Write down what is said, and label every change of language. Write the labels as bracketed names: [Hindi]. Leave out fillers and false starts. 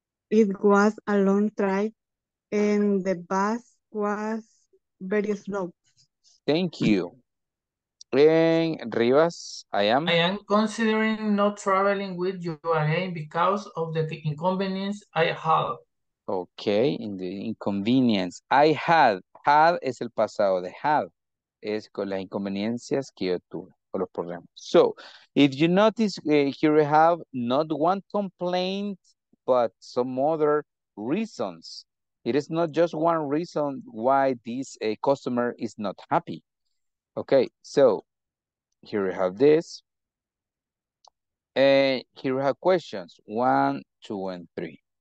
[English] It was a long trip, and the bus was very slow. Thank you. And Rivas, I am considering not traveling with you again because of the inconvenience I had. Okay, in the inconvenience. I had. [Spanish] Had es el pasado de had. Es con las inconveniencias que yo tuve. con los problemas. [English] So, if you notice, here we have not one complaint, but some other reasons. It is not just one reason why this customer is not happy. Okay, so here we have this. Here we have questions, 1, 2, and 3.